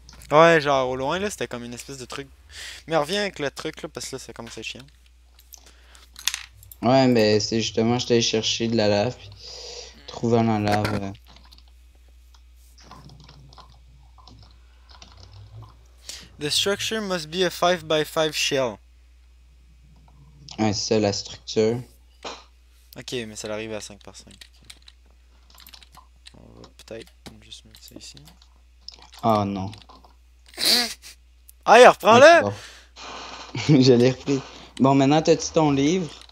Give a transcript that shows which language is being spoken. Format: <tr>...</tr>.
<fr>Ouais, genre au loin là, c'était comme une espèce de truc. Mais reviens avec le truc là, parce que là, ça commence à chier. Ouais, mais c'est justement, j'étais chercher de la lave, puis trouvant la lave.</fr> <en>The structure must be a 5x5 shell.</en> <fr>Ouais, c'est la structure. Ok, mais ça l'arrive à 5x5. On va peut-être juste mettre ça ici. Ah non. Allez, Ok, reprends-le! bon. Je l'ai repris. Bon, maintenant, t'as-tu ton livre?</fr>